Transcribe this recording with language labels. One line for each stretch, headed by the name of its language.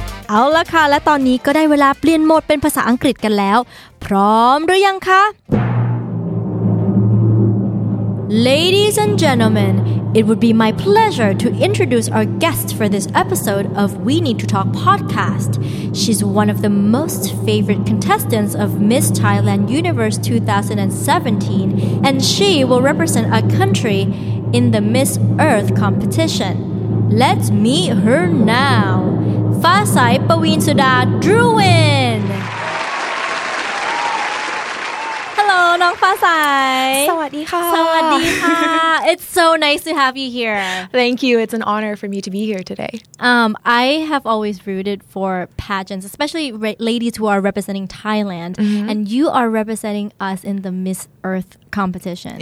Thai: เอาละค่ะและตอนนี้ก็ได้เวลาเปลี่ยนโหมดเป็นภาษาอังกฤษกันแล้วพร้อมหรือยังคะ
English: Ladies and gentlemen, it would be my pleasure to introduce our guest for this episode of We Need to Talk podcast. She's one of the most favorite contestants of Miss Thailand Universe 2017, and she will represent our country in the Miss Earth competition. Let's meet her now.
Thai: ฟ้าใสปวีณสุดาดรูวินฮัลโหลน้องฟ้าใส สวัสดีค่ะ สวัสดีค่ะ
English: It's so nice to have you here. Thank you. It's an honor for me to be here today. I have always rooted for pageants, especially ladies who are representing Thailand. Mm-hmm. And you are representing us in the Miss Earth competition.